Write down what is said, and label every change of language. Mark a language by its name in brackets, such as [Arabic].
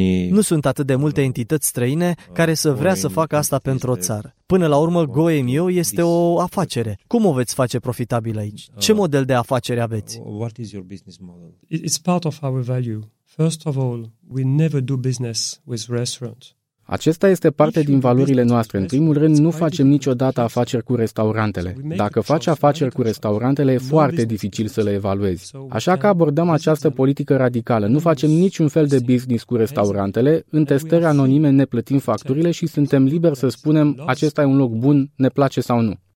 [Romanian] Nu sunt atât de multe entități străine care să vrea să facă asta pentru o țară. Până la urmă, Goemio este o afacere. Cum o veți face profitabil aici? Ce model de afacere aveți? [English] It's part of our value. First of all, we never do business with restaurants. [Romanian] Acesta este parte din valorile noastre. În primul rând, nu facem niciodată afaceri cu restaurantele. Dacă faci afaceri cu restaurantele, e foarte dificil să le evaluezi. Așa că abordăm această politică radicală. Nu facem niciun fel de business cu restaurantele. În testări anonime ne plătim facturile și suntem liberi să spunem, acesta e un loc bun, ne place sau nu.